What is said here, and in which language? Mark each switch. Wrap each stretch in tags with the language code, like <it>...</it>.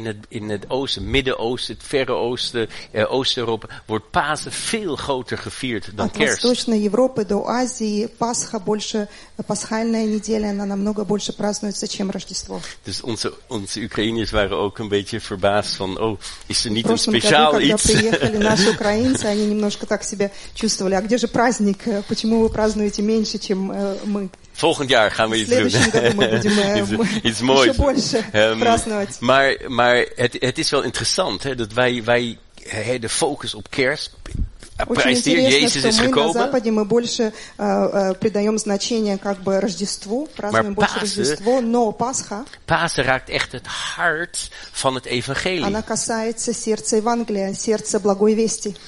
<nl>In het oosten, Midden-Oosten, het Verre Oosten, Oost-Europa, wordt Pasen veel groter gevierd dan</nl> <ru>От От Восточной Европы до Азии Пасха больше, пасхальная неделя, она намного больше празднуется, чем Рождество.</ru> <nl>Dus onze Oekraïners waren ook een beetje verbaasd van, is er niet een speciaal iets?</nl> <ru>Когда приехали наши украинцы, они немножко так себя чувствовали. А где же праздник? Почему вы празднуете меньше, чем мы?</ru> <nl>Volgend jaar gaan we iets doen. Iets moois. Maar het is wel interessant, hè, dat wij de focus op kerst. Prijsdier, Jezus is gekomen.</nl> <ru>На Западе мы больше придаем значение как бы Рождеству, празднуем больше Рождество, но Пасха.</ru> <nl>Пасха raakt echt het hart van het Evangelie.</nl> <ru>Она касается сердца Евангелия, сердца благой вести.</ru>